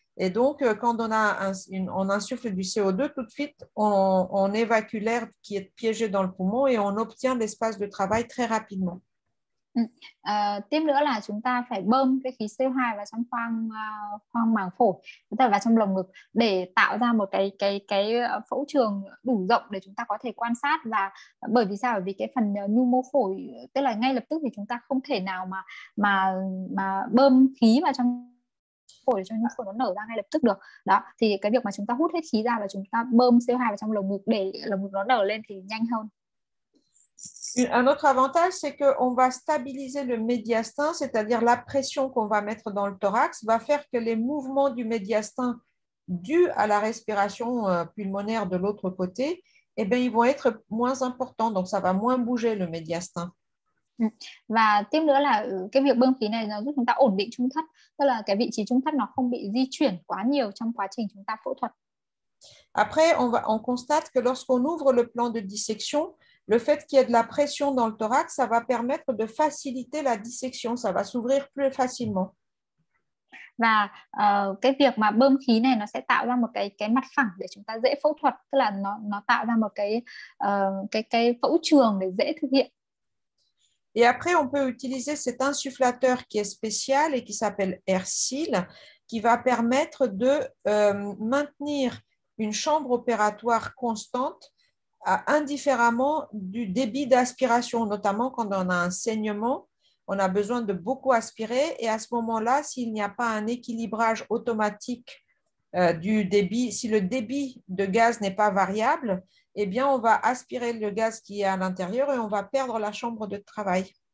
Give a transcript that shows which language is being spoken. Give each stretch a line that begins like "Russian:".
French: Et donc, quand on insuffle du CO2, tout de suite, on évacue l'air qui est piégé dans le poumon et on obtient l'espace de travail très rapidement.
Vietnamese: Tiếp nữa là chúng ta phải bơm cái khí CO2 vào trong khoang khoang màng phổi, chúng ta vào trong lồng ngực để tạo ra một cái phẫu trường đủ rộng để chúng ta có thể quan sát. Và bởi vì sao? Bởi vì cái phần nhu mô phổi, tức là ngay lập tức thì chúng ta không thể nào mà bơm khí vào trong phổi để cho nhu phổi nó nở ra ngay lập tức được. Đó, thì cái việc mà chúng ta hút hết khí ra và chúng ta bơm CO2 vào trong lồng ngực để lồng ngực nó nở lên thì nhanh hơn.
French: Un autre avantage, c'est qu'on va stabiliser le médiastin, c'est-à-dire la pression qu'on va mettre dans le thorax va faire que les mouvements du médiastin dus à la respiration pulmonaire de l'autre côté, eh bien, ils vont être moins importants, donc ça va moins bouger le médiastin.
Vietnamese: Và tiếp nữa là cái việc bơm khí này nó giúp chúng ta ổn định trung thất, tức là cái vị trí trung thất nó không bị di chuyển quá nhiều trong quá trình chúng ta phẫu thuật.
French: Après, on constate que lorsqu'on ouvre le plan de dissection, le fait qu'il y ait de la pression dans le thorax, ça va permettre de faciliter la dissection, ça va s'ouvrir plus facilement.
Vietnamese: Và cái việc mà bơm khí này nó sẽ tạo ra một cái mặt phẳng để chúng ta dễ phẫu thuật, tức là nó tạo ra một cái phẫu trường để dễ thực hiện.
French: Et après, on peut utiliser cet insufflateur qui est spécial et qui s'appelle AirSeal, qui va permettre de maintenir une chambre opératoire constante. Indifféremment du débit d'aspiration, notamment quand on a un saignement, on a besoin de beaucoup aspirer, et à ce moment-là, s'il n'y a pas un équilibrage automatique du débit, si le débit de gaz n'est pas variable, eh bien on va aspirer le gaz qui est à l'intérieur et on va perdre la chambre de travail.